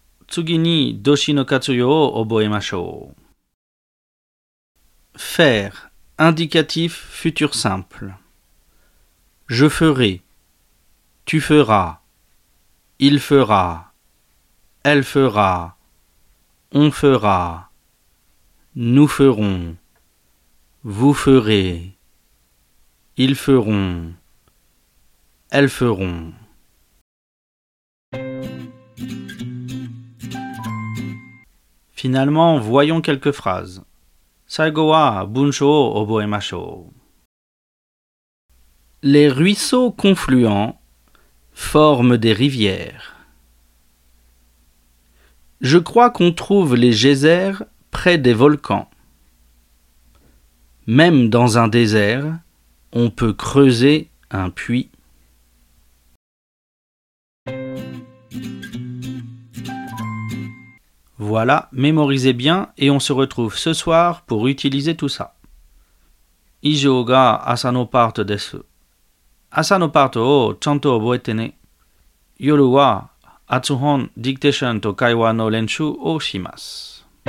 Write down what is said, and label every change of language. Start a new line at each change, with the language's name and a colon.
Japanese: 次に動詞の活用を覚えましょう。
French: Faire, indicatif futur simple. Je ferai, tu feras, il fera, elle fera, on fera, nous ferons, vous ferez, ils feront, elles feront. Finalement, voyons quelques phrases.
Japanese: 最後は文章を覚えましょう。
French: Les ruisseaux confluents forment des rivières. Je crois qu'on trouve les geysers près des volcans. Même dans un désert, on peut creuser un puits. Voilà, mémorisez bien et on se retrouve ce soir pour utiliser tout ça.
Japanese: 以上が朝のパートです。朝のパートをちゃんと覚えてね。夜は発音、ディクテーションと会話の練習をします。